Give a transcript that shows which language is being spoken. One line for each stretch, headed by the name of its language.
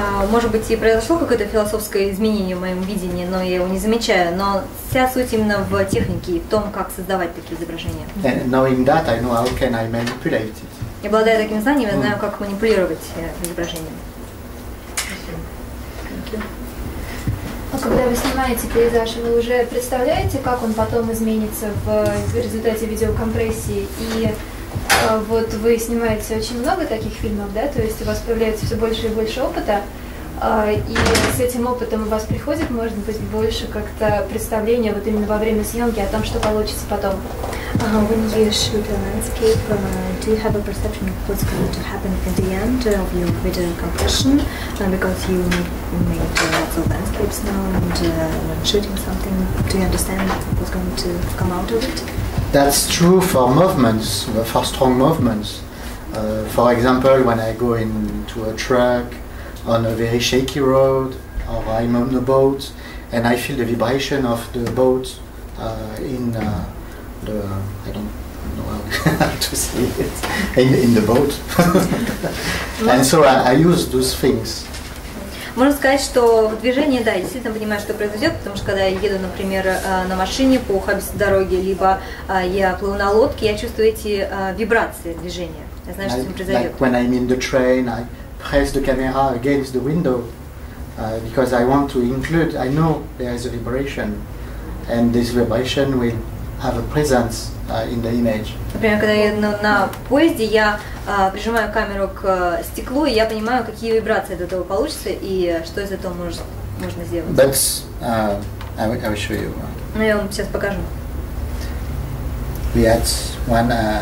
Russian: Может быть, и произошло какое-то философское изменение в моем видении, но я его не замечаю, но вся суть именно в технике и в том, как создавать такие изображения.
English: And knowing that, I know how can I manipulate it.
Russian: И обладая таким знанием, я знаю, как манипулировать изображением. А когда вы снимаете пейзаж, вы уже представляете, как он потом изменится в результате видеокомпрессии? И вот вы снимаете очень много таких фильмов, да? То есть у вас появляется все больше и больше опыта, и с этим опытом у вас приходит, может быть, больше как-то представление вот именно во время съемки о том, что получится потом.
English: When you shoot a landscape, do you have a perception of what's going to happen at the end of your video compression? Because you made lots of landscapes now, and when shooting something, do you understand what's going to come out of it? That's true for movements, for strong movements. For example, when I go into a truck on a very shaky road, or I'm on the boat, and I feel the vibration of the boat in the, I don't know how to say it, in the boat. And so I use those things.
Russian: Можно сказать, что в движении, да, я действительно понимаю, что произойдет, потому что когда я еду, например, на машине по ухабистой дороге, либо я плыву на лодке, я чувствую эти вибрации движения. Я знаю, что с ним произойдет.
English: Like when I'm in the train, I press the camera against the window because I want to include, I know there is a vibration, and this vibration will have a presence in the image.
Russian: Например, когда я еду на поезде, я прижимаю камеру к стеклу, и я понимаю, какие вибрации от этого получится и что из этого можно сделать.
English: That's, I will show you.
Russian: Ну, я вам сейчас покажу.
English: We had one,